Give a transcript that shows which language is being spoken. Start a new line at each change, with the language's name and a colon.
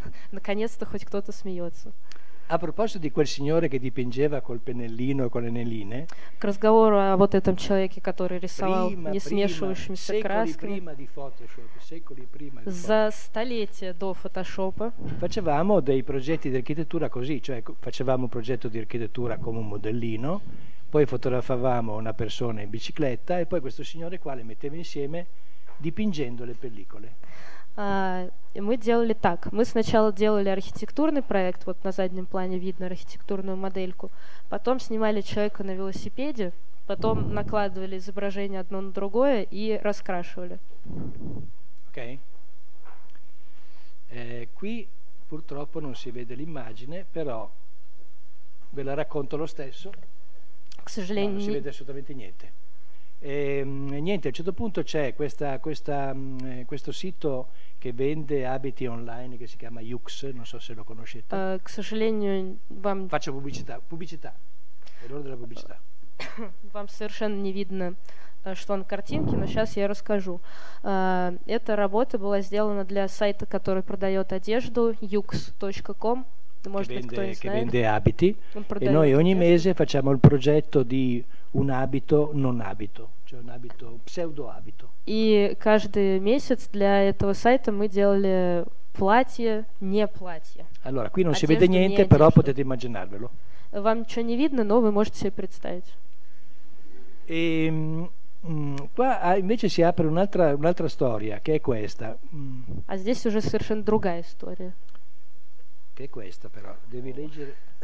Russian: Наконец-то хоть кто-то смеется.
Italian: A proposito di quel signore che dipingeva col pennellino e con le nelline,
Russian: к разговору о вот этом человеке, который рисовал не смешивающимися красками,
Italian: prima di Photoshop, secoli prima di
Russian: за столетие до Photoshop,
Italian: facevamo dei progetti di architettura così, cioè facevamo un progetto di architettura come un modellino, poi fotografavamo una persona in bicicletta e poi questo signore qua le metteva insieme dipingendo le pellicole.
Russian: Мы делали так. Мы сначала делали архитектурный проект, вот на заднем плане видно архитектурную модельку, потом снимали человека на велосипеде, потом накладывали изображение одно на другое и раскрашивали. Окей.
Italian: Qui purtroppo non si vede l'immagine, però ve la racconto lo stesso.
Russian: К сожалению,
Italian: non si vede assolutamente niente. Niente, a un certo punto c'è questo sito che vende abiti online che si chiama Yux, non so se lo conoscete.
Russian: К сожалению, вам...
Italian: Faccio pubblicità, è l'ora della pubblicità.
Russian: Вам совершенно не видно, что на картинке, но сейчас я расскажу. Эта работа была сделана для сайта, который продает одежду, yux.com.
Italian: Che vende abiti e noi ogni mese facciamo il progetto di un abito non abito, cioè un abito pseudo abito.
Russian: И каждый месяц для этого сайта мы делали платье не платье.
Italian: Allora qui non si vede niente, però potete immaginarvelo.
Russian: Вам ничего не видно, но вы можете себе представить.
Italian: E qua invece si apre un'altra storia, che è questa.
Russian: А здесь уже совершенно другая история.
Italian: Che è questa però, devi leggere.